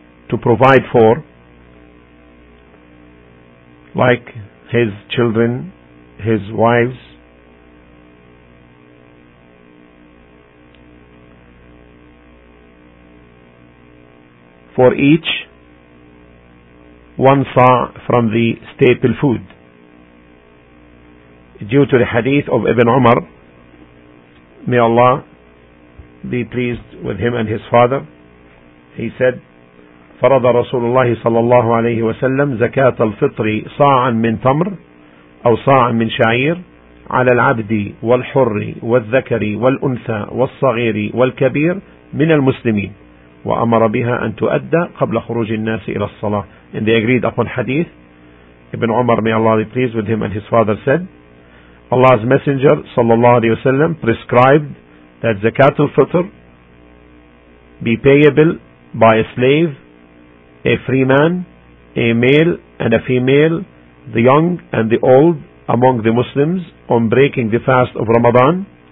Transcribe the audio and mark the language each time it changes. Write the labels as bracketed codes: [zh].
[en] to provide for, like his children, his wives, for each one saw from the staple food. Due to the hadith of Ibn Umar, may Allah be pleased with him and his father, he said, [ar] فَرَضَ رَسُولُ اللَّهِ صَلَى اللَّهُ عَلَيْهِ وَسَلَّمَ زَكَاةَ الْفِطْرِ صَاعًا مِنْ تَمْرٍ أَوْ صَاعًا مِنْ شَعِيرٍ عَلَى الْعَبْدِ وَالْحُرِّ وَالذَّكَرِ وَالْأُنْثَى وَالصَّغِيرِ وَالْكَبِيرِ مِنَ الْمُسْلِمِينَ وَأَمَرَ بِهَا أَنْ تُؤَدَّى قَبْلَ خُرُوجِ النَّاسِ إِلَى الصَّلَاةِ. [en] And they agreed upon hadith. Ibn Umar, may Allah be pleased with him and his father, said, Allah's Messenger, sallallahu alayhi wasallam, prescribed that zakat al-fitr be payable by a slave, a free man, a male and a female, the young and the old among the Muslims on breaking the fast of Ramadan.